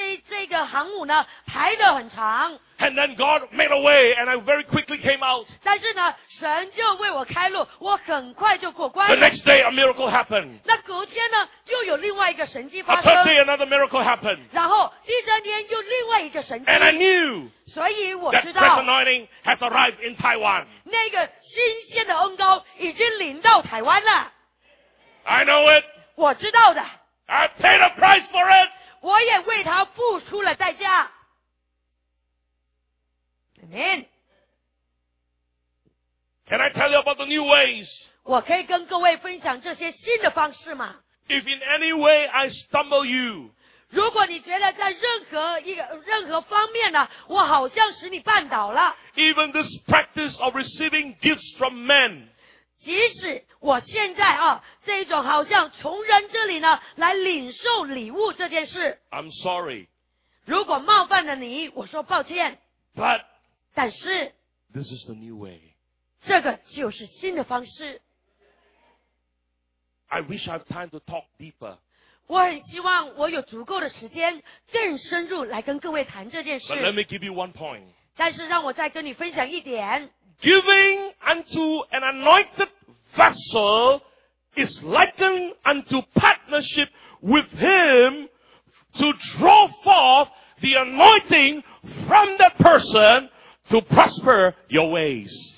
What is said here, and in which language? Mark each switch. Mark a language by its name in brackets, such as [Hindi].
[Chinese] 这个入关的这个航母呢排得很长。 [English] And then God made a way and I very quickly came out. [Chinese] 但是呢, 神就为我开路, 我很快就过关了。 [English] The next day a miracle happened. [Chinese] 那隔天呢, 就有另外一个神迹发生。 [English] A third day another miracle happened. [Chinese] 然后第三天就另外一个神迹。 [English] And I knew, [Chinese] 所以我知道, [English] that fresh anointing has arrived in Taiwan. [Chinese] 那个新鲜的恩膏已经临到台湾了。 [English] I know it. [Chinese] 我知道的。 [English] I paid a price for it. [Chinese] 我也为他付出了代价。 [English] Amen. Can I tell you about the new ways? [Chinese] 我可以跟各位分享这些新的方式吗? [English] If in any way I stumble you, [Chinese] 如果你觉得在任何方面呢, 我好像使你绊倒了。 [English] Even this practice of receiving gifts from men, [Chinese] 即使我现在啊, 这一种好像从人这里呢, 来领受礼物这件事, [English] I'm sorry. [Chinese] 如果冒犯了你, 我说抱歉, [English] but, [Chinese] 但是, [English] this is the new way. [Chinese] 这个就是新的方式。 [English] I wish I have time to talk deeper. [Chinese] 我很希望我有足够的时间, 更深入来跟各位谈这件事。 [English] But let me give you one point. [Chinese] 但是让我再跟你分享一点。 [English] Giving unto an anointed vessel is likened unto partnership with him to draw forth the anointing from that person to prosper your ways.